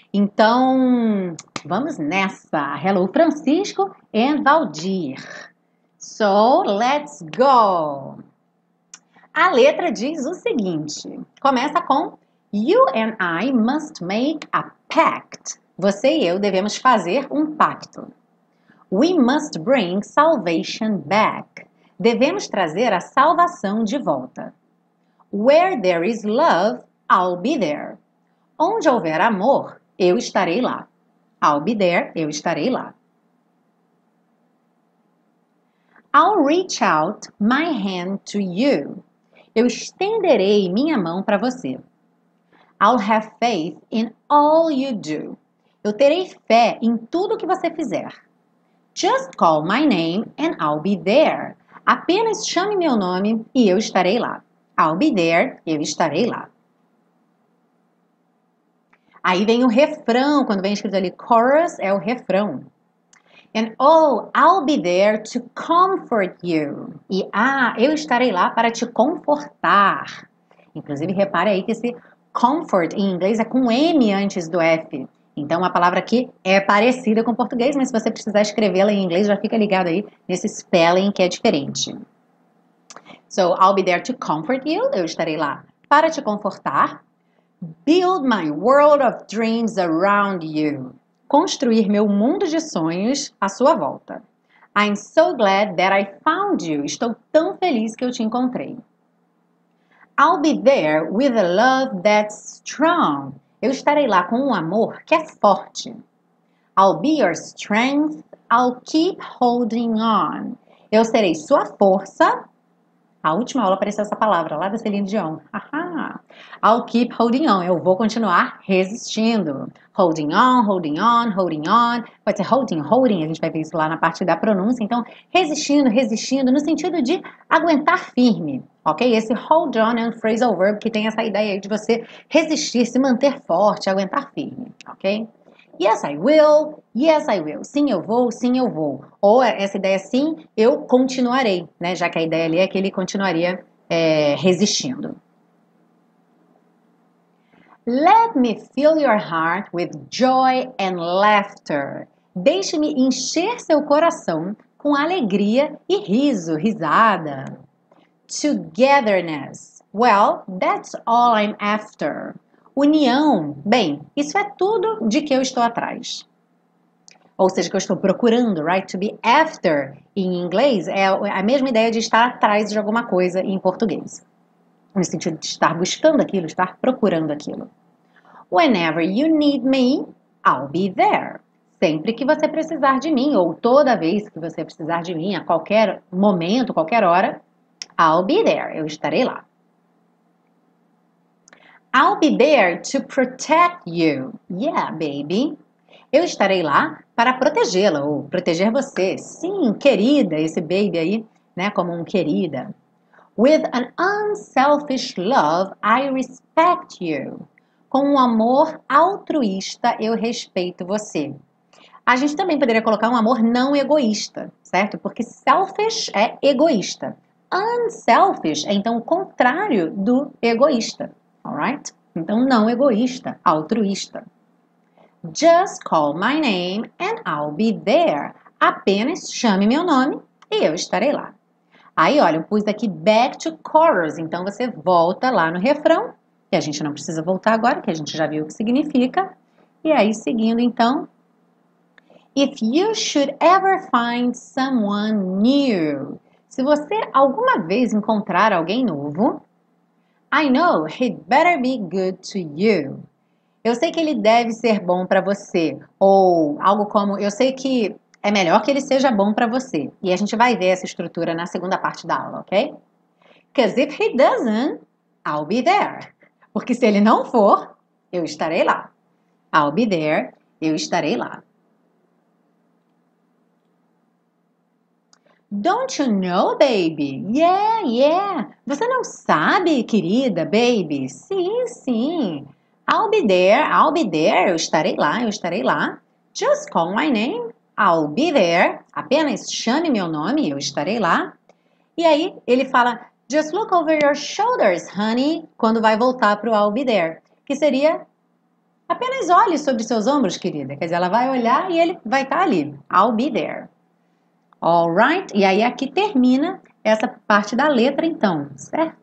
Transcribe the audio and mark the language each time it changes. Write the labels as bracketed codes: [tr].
[pt] Então, vamos nessa. [en] Hello, Francisco and Valdir. So, let's go. [pt] A letra diz o seguinte, começa com [en] You and I must make a pact. [pt] Você e eu devemos fazer um pacto. [en] We must bring salvation back. [pt] Devemos trazer a salvação de volta. [en] Where there is love, I'll be there. [pt] Onde houver amor, eu estarei lá. [en] I'll be there, [pt] eu estarei lá. [en] I'll reach out my hand to you. [pt] Eu estenderei minha mão para você. [en] I'll have faith in all you do. [pt] Eu terei fé em tudo que você fizer. [en] Just call my name and I'll be there. [pt] Apenas chame meu nome e eu estarei lá. [en] I'll be there, [pt] eu estarei lá. Aí vem o refrão, quando vem escrito ali, chorus é o refrão. [en] And oh, I'll be there to comfort you. [pt] E ah, eu estarei lá para te confortar. Inclusive, repare aí que esse comfort em inglês é com M antes do F. Então, a palavra aqui é parecida com o português, mas se você precisar escrevê-la em inglês, já fica ligado aí nesse spelling que é diferente. [en] So, I'll be there to comfort you. [pt] Eu estarei lá para te confortar. [en] Build my world of dreams around you. [pt] Construir meu mundo de sonhos à sua volta. [en] I'm so glad that I found you. [pt] Estou tão feliz que eu te encontrei. [en] I'll be there with a love that's strong. [pt] Eu estarei lá com um amor que é forte. [en] I'll be your strength. I'll keep holding on. [pt] Eu serei sua força. A última aula apareceu essa palavra lá da Celine Dion. Aha. [en] I'll keep holding on. [pt] Eu vou continuar resistindo. [en] Holding on, holding on, holding on. [pt] Pode ser holding, holding. A gente vai ver isso lá na parte da pronúncia. Então, resistindo, resistindo, no sentido de aguentar firme. Ok? Esse hold on é um phrasal verb que tem essa ideia aí de você resistir, se manter forte, aguentar firme. [en] Ok? Yes, I will. Yes, I will. [pt] Sim, eu vou. Sim, eu vou. Ou essa ideia, sim, eu continuarei, né? Já que a ideia ali é que ele continuaria resistindo. [en] Let me fill your heart with joy and laughter. [pt] Deixe-me encher seu coração com alegria e riso, risada. [en] Togetherness. Well, that's all I'm after. [pt] União, bem, isso é tudo de que eu estou atrás. Ou seja, que eu estou procurando, [en] right? To be after, [pt] em inglês, é a mesma ideia de estar atrás de alguma coisa em português. No sentido de estar buscando aquilo, estar procurando aquilo. [en] Whenever you need me, I'll be there. [pt] Sempre que você precisar de mim, ou toda vez que você precisar de mim, a qualquer momento, qualquer hora, [en] I'll be there, [pt] eu estarei lá. [en] I'll be there to protect you. Yeah, baby. [pt] Eu estarei lá para protegê-la ou proteger você. Sim, querida, esse baby aí, né, como um querida. [en] With an unselfish love, I respect you. [pt] Com um amor altruísta, eu respeito você. A gente também poderia colocar um amor não egoísta, certo? Porque selfish é egoísta. Unselfish é então o contrário do egoísta. [en] Alright? [pt] Então, não egoísta, altruísta. [en] Just call my name and I'll be there. [pt] Apenas chame meu nome e eu estarei lá. Aí, olha, eu pus aqui [en] back to chorus. [pt] Então, você volta lá no refrão, que a gente não precisa voltar agora, que a gente já viu o que significa. E aí, seguindo, então. [en] If you should ever find someone new. [pt] Se você alguma vez encontrar alguém novo, [en] I know he'd better be good to you. [pt] Eu sei que ele deve ser bom para você. Ou algo como, eu sei que é melhor que ele seja bom para você. E a gente vai ver essa estrutura na segunda parte da aula, ok? [en] Because if he doesn't, I'll be there. [pt] Porque se ele não for, eu estarei lá. [en] I'll be there, [pt] eu estarei lá. [en] Don't you know, baby? Yeah. [pt] Você não sabe, querida, baby? Sim. [en] I'll be there, [pt] eu estarei lá. [en] Just call my name, I'll be there. [pt] Apenas chame meu nome, eu estarei lá. E aí ele fala, [en] just look over your shoulders, honey, [pt] quando vai voltar para o [en] I'll be there, [pt] que seria apenas olhe sobre seus ombros, querida. Quer dizer, ela vai olhar e ele vai estar ali. [en] I'll be there. Alright, [pt] e aí aqui termina essa parte da letra, então, certo?